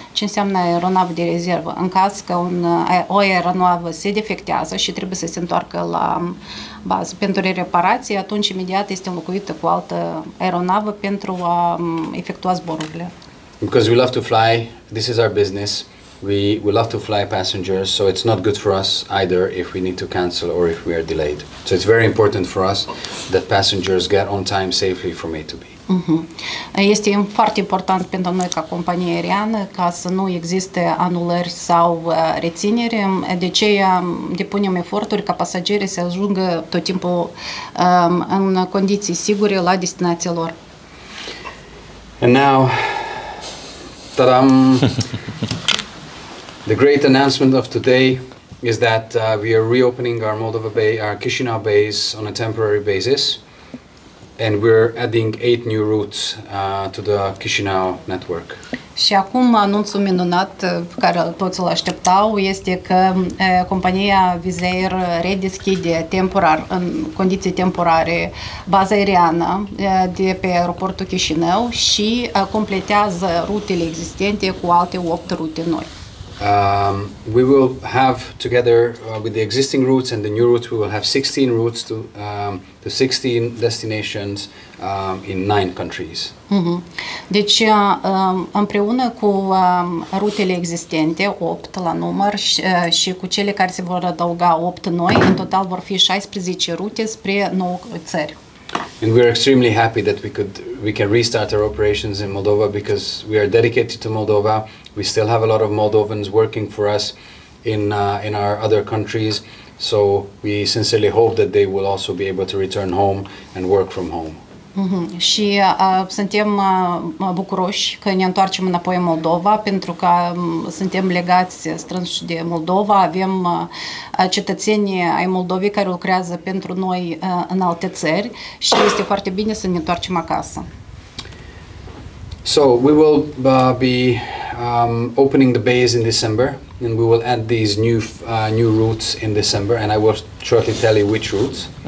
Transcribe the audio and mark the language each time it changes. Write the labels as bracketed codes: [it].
[ro] Ce înseamnă aeronavă de rezervă? În caz că o aeronavă se defectează și trebuie să se întoarcă la bază pentru reparație, atunci imediat este înlocuită cu altă aeronavă pentru a efectua zborurile. [en] Because we love to fly, this is our business. We love to fly passengers, so it's not good for us either if we need to cancel or if we are delayed. So it's very important for us that passengers get on time safely from A to B. [ro] Este foarte important pentru noi ca companie aeriană ca să nu existe anulări sau rețineri. De aceea depunem eforturi ca pasagerii să ajungă tot timpul în condiții sigure la destinația lor. [en] And now, ta-dam! The great announcement of today is that we are reopening our Moldova Bay, our Chișinău base on a temporary basis, and we're adding 8 new routes to the Chișinău network. [ro] Și acum anunțul minunat pe care toți îl așteptau este că compania Wizz Air redeschide temporar, în condiții temporare, baza aeriană de pe aeroportul Chișinău și completează rutele existente cu alte 8 rute noi. [en] We will have, together with the existing routes and the new routes, we will have 16 routes to 16 destinations in 9 countries. [ro] Deci, împreună cu rutele existente, 8 la număr, și cu cele care se vor adăuga 8 noi, în total vor fi 16 rute spre 9 țări. [en] And we are extremely happy that we can restart our operations in Moldova because we are dedicated to Moldova. We still have a lot of Moldovans working for us in our other countries. So we sincerely hope that they will also be able to return home and work from home. [ro] Și suntem bucuroși că ne întoarcem înapoi în Moldova pentru că suntem legați strâns de Moldova, avem cetățenii ai Moldovei care lucrează pentru noi în alte țări și este foarte bine să ne întoarcem acasă. [en] So we will be opening the base in December and we will add these new routes in December and I will shortly tell you which routes.